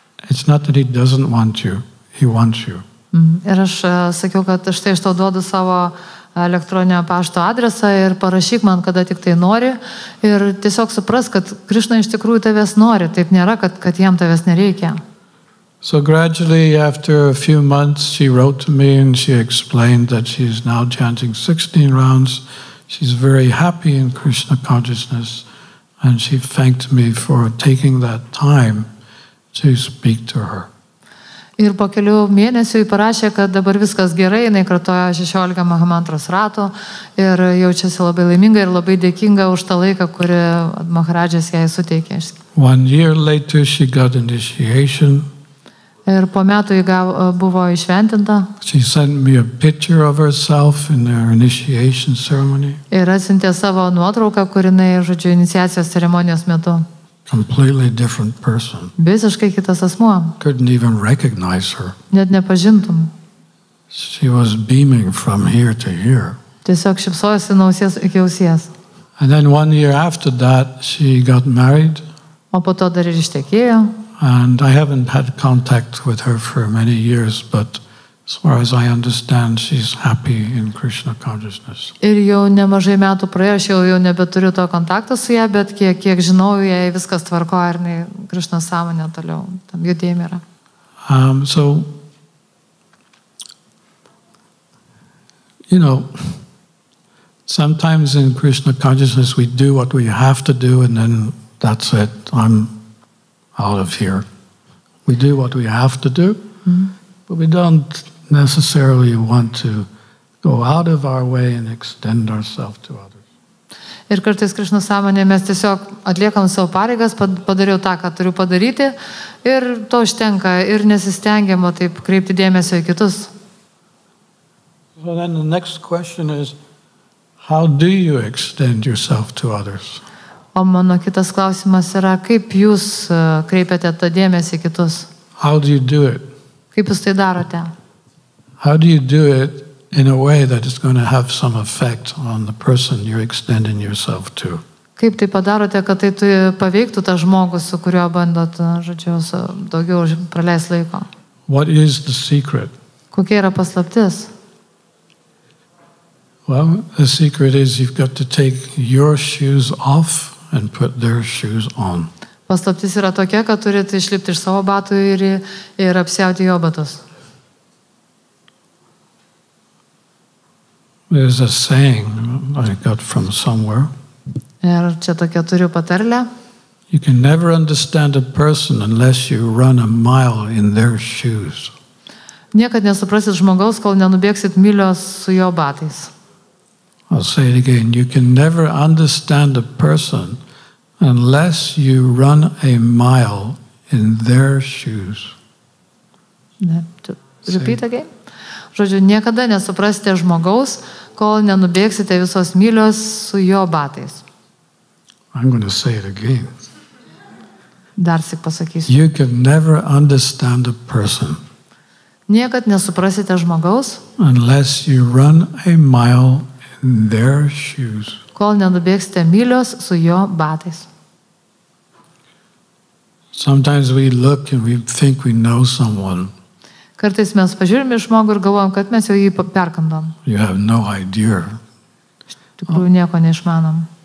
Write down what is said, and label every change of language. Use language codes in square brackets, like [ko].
[en] It's not that he doesn't want you, he wants you. [lt] Ir aš sakiau, kad štai aš tau duodu savo elektroninio pašto adresą ir parašyk man, kada tik tai nori. Ir tiesiog supras, kad Krishna iš tikrųjų tavęs nori. Taip nėra, kad jam tavęs nereikia. [en] So gradually, after a few months, she wrote to me and she explained that she's now chanting 16 rounds. She's very happy in Krishna consciousness. And she thanked me for taking that time to speak to her. [lt] Ir po kelių mėnesių jį parašė, kad dabar viskas gerai, jinai kartoja 16 Mahamantros ratų ir jaučiasi labai laiminga ir labai dėkinga už tą laiką, kurį Maharadžas jai suteikė. [en] One year later she got initiation. [lt] Ir po metų jį buvo išventinta. [en] She sent me a picture of herself in her initiation ceremony. [lt] Ir atsintė savo nuotrauką, kuri jinai, žodžiu, iniciacijos ceremonijos metu. [en] Completely different person. [lt] Visiškai kitas asmuo. [en] Couldn't even recognize her. [lt] Net nepažintum. [en] She was beaming from here to here. [lt] Tiesiog šipsojosi nuo ausies iki ausies. [en] And then one year after that, she got married. [lt] O po to dar ir ištekėjo. [en] And I haven't had contact with her for many years, but as far as I understand, she's happy in Krishna consciousness. [lt] Ir jau nemažai metų praėjo, aš jau nebeturiu to kontakto su ja, bet kiek žinau, jai viskas tvarko, ar ne Krishna sąmonė toliau, tam judėjime yra. [en] So, you know, sometimes in Krishna consciousness we do what we have to do and then that's it, I'm out of here. We do what we have to do, but we don't necessarily want to go out of our way and extend ourselves to others. [lt] Ir kartais Krishna sąmonė mes tiesiog atliekam savo pareigas, padariau tą, ką turiu padaryti, ir to užtenka, ir nesistengiamo taip kreipti dėmesio į kitus. [en] So then the next question is, how do you extend yourself to others? [lt] O mano kitas klausimas yra, kaip jūs kreipiate tą dėmesį į kitus? [en] How do you do it? [lt] Kaip jūs tai darote? [en] How do you do it in a way that is going to have some effect on the person you're extending yourself to? [lt] Kaip tai padarote, kad tai paveiktų tą žmogų, su kuriuo bandot, žodžiu, daugiau praleis laiko? [en] What is the secret? [lt] Kokia yra paslaptis? [en] Well, the secret is you've got to take your shoes off and put their shoes on. [lt] Paslaptis yra tokia, kad turite išlipti iš savo batų ir apsiauti jo batus. [en] There's a saying I got from somewhere. [lt] Ir čia tokia turiu patarlę. [en] You can never understand a person unless you run a mile in their shoes. Niekad nesuprasit žmogaus, kol nenubėgsit mylios su jo batais. I'll say it again. You can never understand a person unless you run a mile in their shoes. Repeat again. [lt] Žodžiu, niekada nesuprasite žmogaus, kol nenubėgsite visos mylios su jo batais. [en] I'm going to say it again. [lt] Dar sik pasakysiu. [en] You can never understand a person. [lt] Niekad nesuprasite žmogaus. [en] Unless you run a mile in their shoes. [lt] Kol nenubėgsite mylios su jo batais. [en] Sometimes we look and we think we know someone. [lt] Kartais mes pažiūrime žmogų ir galvojam, kad mes jau jį perkandom. [en] You have no idea. [lt] Tikrųjų nieko neišmanom.